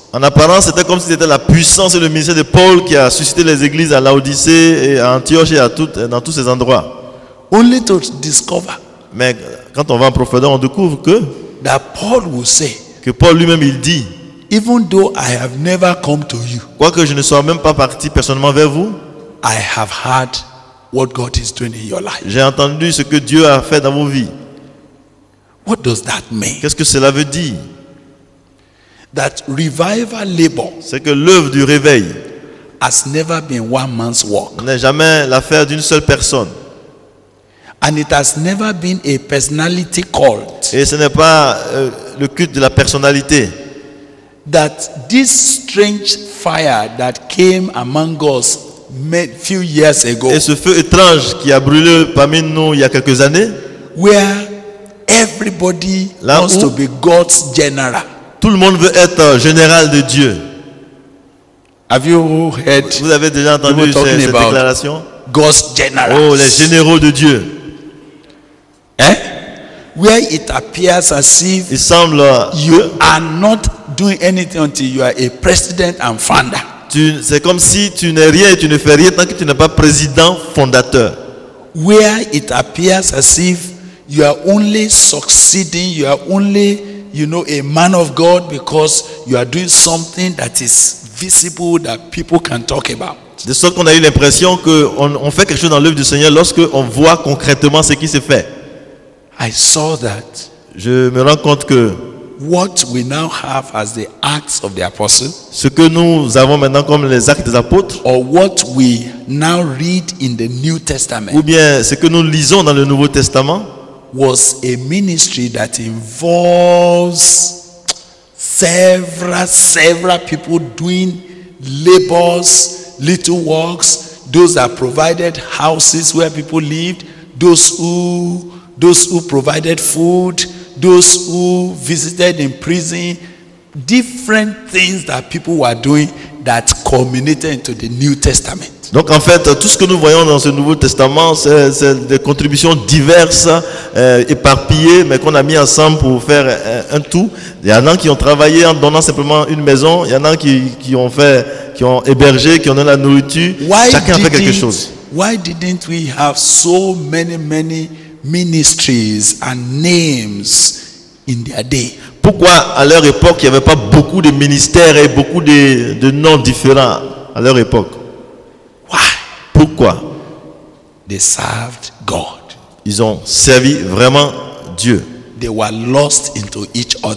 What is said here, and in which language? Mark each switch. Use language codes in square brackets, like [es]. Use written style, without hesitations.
[fr] En apparence, c'était comme si c'était la puissance et le ministère de Paul qui a suscité les églises à Laodicée et à Antioche et à tout, dans tous ces endroits. [en] Only to discover. [fr] Mais quand on va en profondeur, on découvre que [en] that Paul will say, [fr] que Paul lui-même il dit, [en] even though I have never come to you, [fr] quoique je ne sois même pas parti personnellement vers vous, [en] I have heard what God is doing in your life. [fr] J'ai entendu ce que Dieu a fait dans vos vies. [en] What does that mean? [fr] Qu'est-ce que cela veut dire? [en] That revival labor, [fr] c'est que l'œuvre du réveil, [en] has never been one man's work. [fr] N'est jamais l'affaire d'une seule personne. [en] And it has never been a personality cult. [fr] Et ce n'est pas le culte de la personnalité. [en] That this strange fire that came among us few years ago. [fr] Et ce feu étrange qui a brûlé parmi nous il y a quelques années. [en] Where everybody wants to be God's general. [fr] Tout le monde veut être général de Dieu. [en] Have you heard? [fr] Vous avez déjà entendu cette déclaration? [en] God's general. [fr] Oh, les généraux de Dieu. [en] Eh? Where it appears as if [fr] il semble [en] you are not doing anything until you are a president and founder. [fr] Tu, c'est comme si tu n'es rien et tu ne fais rien tant que tu n'es pas président fondateur. [en] Where it appears as if you are only succeeding, you are only, you know, a man of God because you are doing something that is visible that people can talk about. [fr] De sorte qu'on a eu l'impression que on fait quelque chose dans l'œuvre du Seigneur lorsque on voit concrètement ce qui se fait. [en] I saw that. [fr] Je me rends compte que [en] what we now have as the Acts of the Apostles, [fr] ce que nous avons maintenant comme les Actes des Apôtres, [en] or what we now read in the New Testament, [fr] ou bien ce que nous lisons dans le Nouveau Testament, [en] was a ministry that involves several people doing labors, little works, those that provided houses where people lived, those who provided food, those who visited in prison, different things that people were doing that culminated into the New Testament. [fr] Donc en fait, tout ce que nous voyons dans ce Nouveau Testament, c'est des contributions diverses, éparpillées, mais qu'on a mis ensemble pour faire un tout. Il y en a qui ont travaillé en donnant simplement une maison, il y en a qui ont hébergé, qui ont donné la nourriture. [en] Why [fr] chacun a fait quelque chose. [en] Why didn't we have so many ministries and names in their day? [fr] Pourquoi à leur époque, il n'y avait pas beaucoup de ministères et beaucoup de noms différents à leur époque? Pourquoi? [en] They served God. [fr] Ils ont servi vraiment Dieu. [en] They were lost into each other.